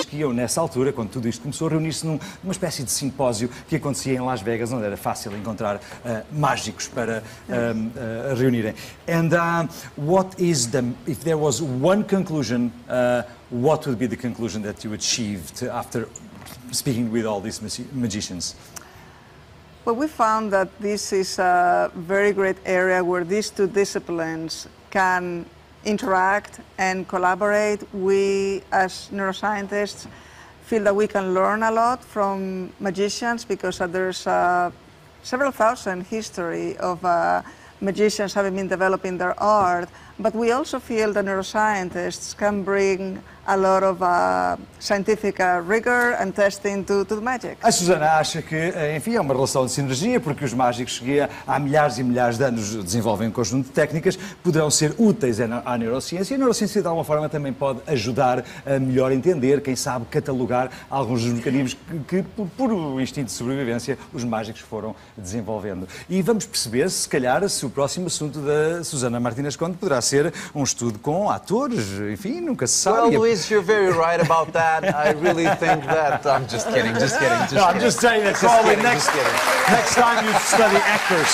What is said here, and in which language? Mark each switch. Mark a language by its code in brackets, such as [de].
[pt] Nessa altura, quando tudo isto começou, reunir-se numa espécie de simpósio que acontecia em Las Vegas, onde era fácil encontrar mágicos para reunirem. [en] And what is the, if there was one conclusion, what would be the conclusion that you achieved after speaking with all these magicians? Well, we found that this is a very great area where these two disciplines can interact and collaborate. We, as neuroscientists, feel that we can learn a lot from magicians because there's several thousand history of magicians having been developing their art, But we also feel that neuroscientists can bring a lot of scientific rigor and testing to the magic. [pt] A Susana acha que, enfim, é uma relação de sinergia, porque os mágicos que há milhares e milhares de anos desenvolvem um conjunto de técnicas, poderão ser úteis à neurociência, e a neurociência de alguma forma também pode ajudar a melhor entender, quem sabe catalogar alguns dos mecanismos que por instinto de sobrevivência, os mágicos foram desenvolvendo. E vamos perceber, se calhar, se o próximo assunto da Susana Martínez Conde poderá ser um estudo com atores, enfim, nunca se sabe. [en] Well, Luis, you're very right about that. I really think that. I'm just kidding, just kidding. Just no, kidding. I'm just saying that, Colby, next time you study actors.